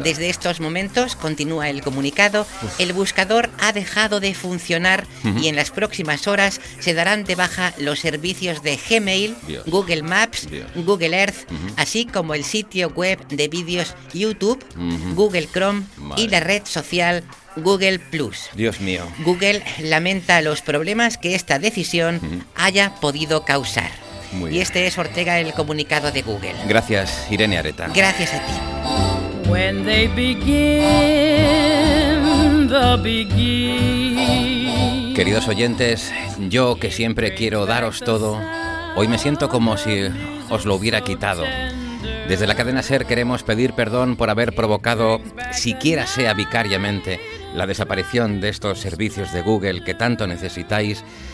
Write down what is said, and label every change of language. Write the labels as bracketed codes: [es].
[es] Desde estos momentos, continúa el comunicado, el buscador ha dejado de funcionar y en las próximas horas se darán de baja los servicios de Gmail, Google Maps, Google Earth, así como el sitio web de vídeos YouTube, Google Chrome y la red social Google Plus. Dios mío. Google lamenta los problemas que esta decisión haya podido causar. Muy bien. Y este es, Ortega, el comunicado de Google. Gracias, Irene Areta. Gracias a ti. [en] When they begin, the begin. [es] Queridos oyentes, yo que siempre quiero daros todo, hoy me siento como si os lo hubiera quitado. Desde la cadena SER queremos pedir perdón por haber provocado, siquiera sea vicariamente, la desaparición de estos servicios de Google que tanto necesitáis.